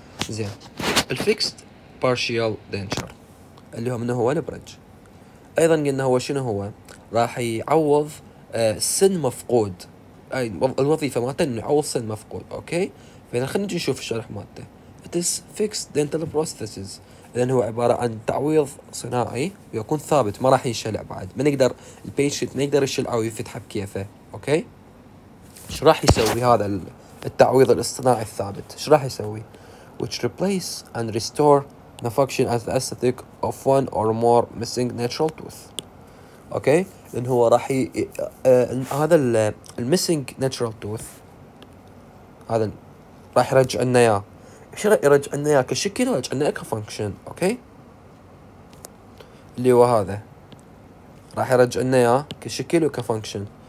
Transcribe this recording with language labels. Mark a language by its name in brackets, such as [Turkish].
[Arabic] زين، الفيكست بارشيال دينشر اللي هو من هو البرج، ايضا قلنا هو شنو هو؟ راح يعوض سن مفقود، اي الوظيفه مالته انه يعوض سن مفقود. اوكي، فإذا خلينا نجي نشوف الشرح مالته. [English] It is fixed dental prosthesis. [Arabic] إذن هو عبارة عن تعويض صناعي ويكون ثابت ما راح ينشلع بعد. ما نقدر البيشنت ما يقدر يشلع أو يفتح بكيفه. أوكي؟ إيش راح يسوي هذا التعويض الاصطناعي الثابت؟ إيش راح يسوي؟ [English] Which replace and restore the function as the aesthetic of one or more missing natural tooth. [Arabic] أوكي؟ إذن هو راح هذا الـ [English] missing natural tooth [Arabic] هذا راح يرجع لنا اياه. شو يرجع لنا اياه؟ كشكل يرجع لنا اياه كفانكشن. اوكي، اللي هو هذا راح يرجع لنا اياه كشكل وكفانكشن.